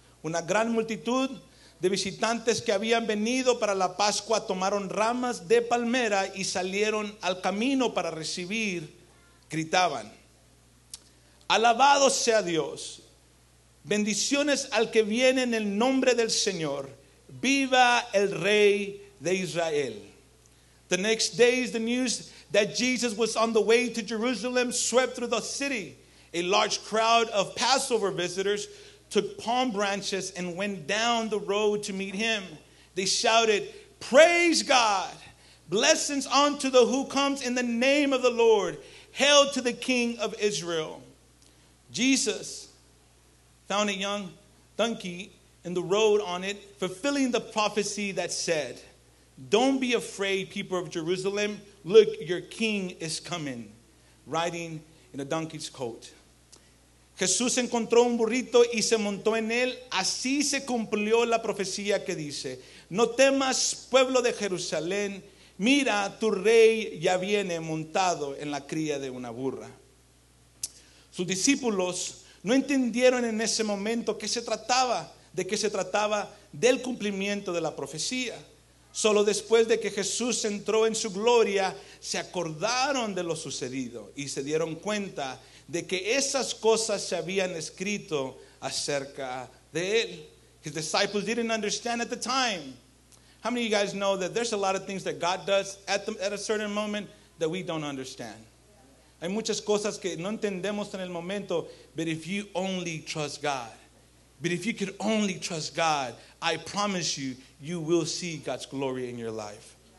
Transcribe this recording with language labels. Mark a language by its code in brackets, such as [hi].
[es] Una gran multitud de visitantes que habían venido para la Pascua tomaron ramas de palmera y salieron al camino para recibir. Gritaban: Alabado sea Dios. Bendiciones al que viene en el nombre del Señor. Viva el Rey de Israel. [en] The next day, the news that Jesus was on the way to Jerusalem swept through the city. A large crowd of Passover visitors took palm branches and went down the road to meet him. They shouted, Praise God! Blessings unto the who comes in the name of the Lord. Hail to the King of Israel. Jesus found a young donkey and rode on it, fulfilling the prophecy that said, Don't be afraid, people of Jerusalem. Look, your king is coming, riding in a donkey's coat. [es] Jesús encontró un burrito y se montó en él. Así se cumplió la profecía que dice, No temas, pueblo de Jerusalén. Mira, tu rey ya viene montado en la cría de una burra. Sus discípulos no entendieron en ese momento de qué se trataba del cumplimiento de la profecía. Solo después de que Jesús entró en su gloria, se acordaron de lo sucedido y se dieron cuenta de que esas cosas se habían escrito acerca de él. [en] His disciples didn't understand at the time. How many of you guys know that there's a lot of things that God does at a certain moment that we don't understand? [es] Hay muchas cosas que no entendemos en el momento, [en] but if you only trust God, but if you could only trust God, I promise you, you will see God's glory in your life.